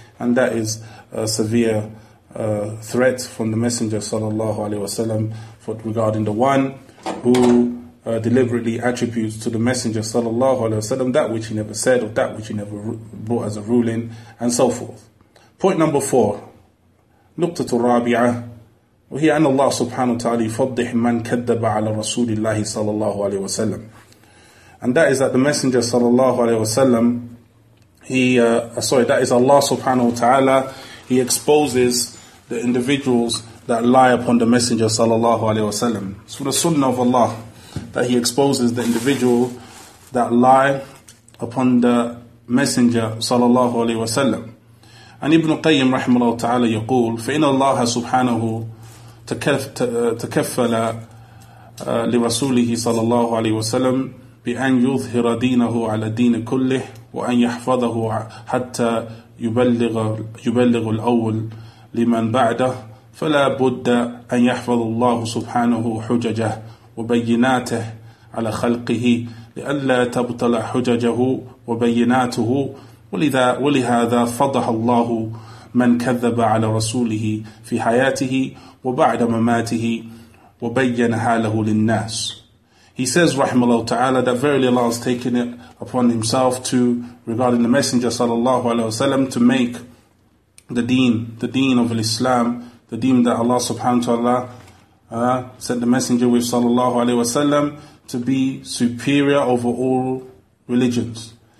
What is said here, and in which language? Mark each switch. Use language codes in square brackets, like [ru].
[en] And that is a severe threat from the Messenger sallallahu alayhi wa sallam regarding the one who deliberately attributes to the Messenger sallallahu alayhi wa sallam that which he never said or that which he never brought as a ruling and so forth. Point number four, [ar] Nuqtatu Rabi'ah, وهي أن الله سبحانه وتعالى يفضح من كذب على رسول الله صلى الله عليه وسلم. [en] And that is that the Messenger sallallahu alayhi wa sallam, that is Allah subhanahu wa ta'ala, he exposes the individuals that lie upon the Messenger sallallahu alayhi wa sallam. It's for the Sunnah of Allah that he exposes the individual that lie upon the Messenger sallallahu alayhi wa sallam. [ar] And Ibn Qayyim rahimahullah ta'ala yaqul, فَإِنَ اللَّهَ سُبْحَانَهُ تَكَفَّلَ لِرَسُولِهِ sallallahu alayhi wa sallam بِأَنْ يُظْهِرَ دِينَهُ عَلَى دِينِ كُلِّهِ وَأَنْ يَحْفَظَهُ حَتَّى يبلغ الأول لمن بعده فلا بد أن يحفظ الله سبحانه حججه وبيناته على خلقه لئلا تبطل حججه وبيناته ولهذا فضح الله من كذب على رسوله في حياته وبعد مماته وبين حاله للناس. [en] He says rahimahullah ta'ala that verily Allah has taken it upon himself to, regarding the Messenger sallallahu alayhi wa sallam, to make the deen of Islam, the deen that Allah subhanahu wa ta'ala sent the Messenger with sallallahu alayhi wa sallam, to be superior over all religions.